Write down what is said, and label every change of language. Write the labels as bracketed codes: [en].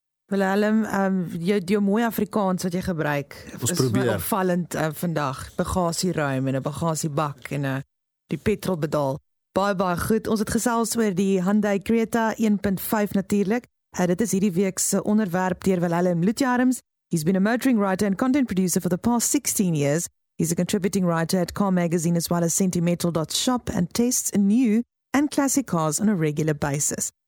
[af] Willem, jou mooie Afrikaans wat jy gebruik, ons probeer. Is opvallend vandag, bagasieruim en een bagasiebak en die petrolbedaal. Baie, baie goed. Ons het gesels oor die Hyundai Creta 1.5 natuurlik. Dit is hierdie week se onderwerp deur Willem Lutjarms. [en] He's been a motoring writer and content producer for the past 16 years. He's a contributing writer at Car Magazine as well as Sentimental.shop and tests new and classic cars on a regular basis.